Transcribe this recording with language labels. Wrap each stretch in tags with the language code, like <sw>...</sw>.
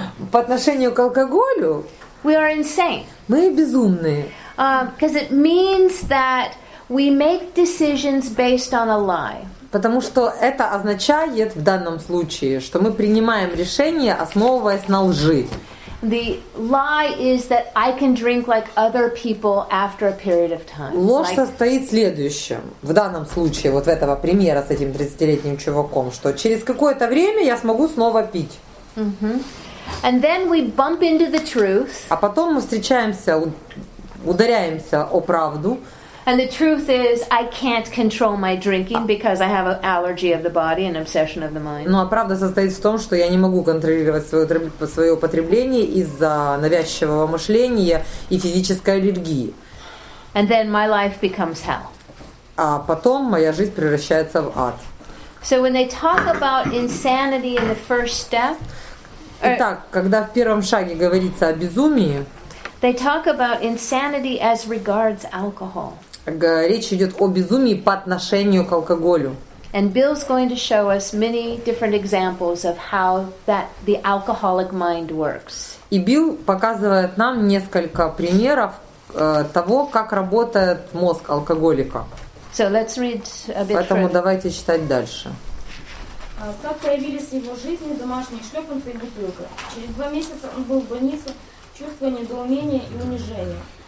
<ru>По отношению к алкоголю.</ru> <en>We are insane.</en> <ru>Мы безумные.</ru> <en>Because it means that we make decisions based on a lie.</en> <ru>Потому что это означает в данном случае, что мы принимаем решение, основываясь на лжи.</ru> <en>The lie is that I can drink like other people after a period of time.</en> <ru>Ложь состоит в следующем. В данном случае, вот в этого примера с этим 30-летним чуваком, что через какое-то время я смогу снова пить.</ru> <en>Mm-hmm. And then we bump into the truth.</en> <ru>А потом мы встречаемся, ударяемся о правду.</ru> <en>And the truth is, I can't control my drinking because I have an allergy of the body and obsession of the mind.</en> <ru>Ну, а правда состоит в том, что я не могу контролировать свое употребление из-за навязчивого мышления и физической аллергии.</ru> <en>And then my life becomes hell.</en> <ru>А потом моя жизнь превращается в ад.</ru> <en>So when they talk about insanity in the first step,</en> <ru>итак, когда в первом шаге говорится о безумии,</ru> <en>they talk about insanity as regards alcohol.</en> <ru>Речь идет о безумии по отношению к алкоголю.</ru> <en>And Bill's going to show us many different examples of how that the alcoholic mind works.</en> <ru>И Билл показывает нам несколько примеров того, как работает мозг алкоголика.</ru> <en>So let's read a bit.</en> <ru>Поэтому</ru> <en>further.</en> <ru>Давайте читать дальше. Как появились в его жизни домашние шлепанцы и бутылка. Через 2 месяца он был в больнице, чувство недоумения и унижения.</ru>